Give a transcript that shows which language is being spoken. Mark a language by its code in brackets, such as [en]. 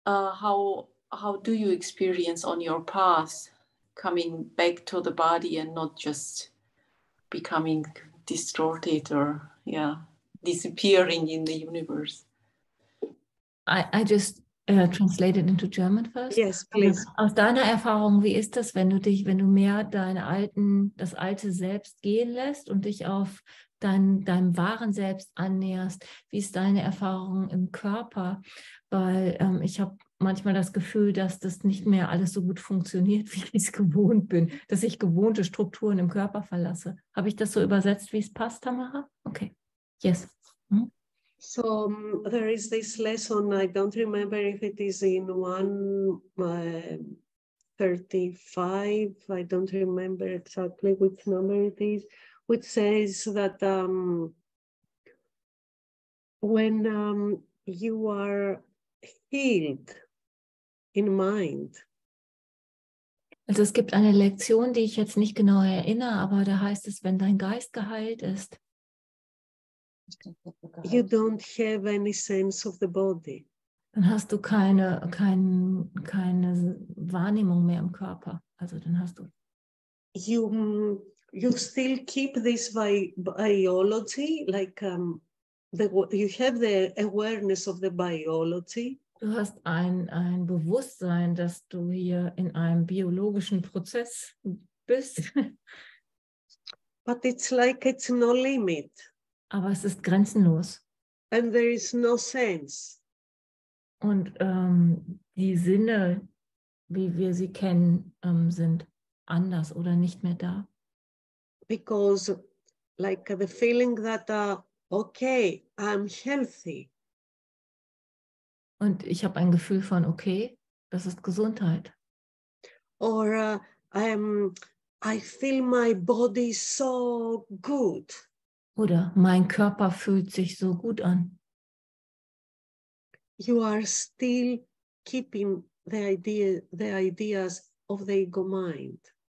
[en] How do you experience on your path coming back to the body and not just becoming distorted or disappearing in the universe? I just translate it into German first. Yes, please. [de] Aus deiner Erfahrung, wie ist das, wenn du mehr das alte Selbst gehen lässt und dich auf deinem wahren Selbst annäherst? Wie ist deine Erfahrung im Körper? Weil ich habe manchmal das Gefühl, dass das nicht mehr alles so gut funktioniert, wie ich es gewohnt bin, dass ich gewohnte Strukturen im Körper verlasse. Habe ich das so übersetzt, wie es passt, Tamara? [en] Okay, yes. So there is this lesson, I don't remember if it is in 135, I don't remember exactly which number it is, which says that when you are healed in mind. [de] Also es gibt eine Lektion, die ich jetzt nicht genau erinnere, aber da heißt es, wenn dein Geist geheilt ist. [en] You don't have any sense of the body. [de] Dann hast du keine Wahrnehmung mehr im Körper. Also dann hast du... [en] You still keep this biology, you have the awareness of the biology. [de] Du hast ein Bewusstsein, dass du hier in einem biologischen Prozess bist. [en] But it's like it's no limit. [de] Aber es ist grenzenlos. [en] And there is no sense. [de] Und die Sinne, wie wir sie kennen, sind anders oder nicht mehr da. [en] Because like the feeling that okay, I'm healthy. [de] Und ich habe ein Gefühl von okay, das ist Gesundheit. [en] Or I feel my body so good. [de] Oder mein Körper fühlt sich so gut an. [en] You are still keeping the ideas of the ego mind.